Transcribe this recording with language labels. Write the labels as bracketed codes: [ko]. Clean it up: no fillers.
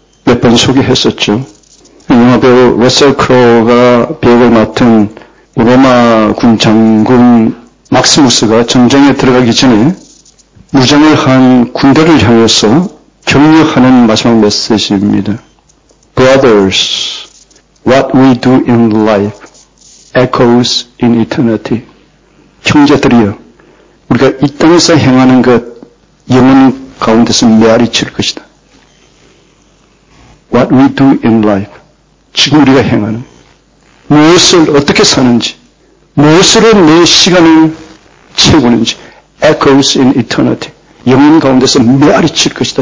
[ko] 몇 번 소개했었죠. 영화 배우 러셀 크로우가 배역을 맡은 로마 군 장군 막시무스가 전쟁에 들어가기 전에 무장을 한 군대를 향해서 격려하는 마지막 메시지입니다. [en] Brothers, what we do in life echoes in eternity. [ko] 형제들이여, 우리가 이 땅에서 행하는 것 영원 가운데서 메아리 칠 것이다. [en] What we do in life, [ko] 지금 우리가 행하는 무엇을 어떻게 사는지, 무엇으로 내 시간을 채우는지 [en] echoes in eternity, [ko] 영원 가운데서 메아리 칠 것이다.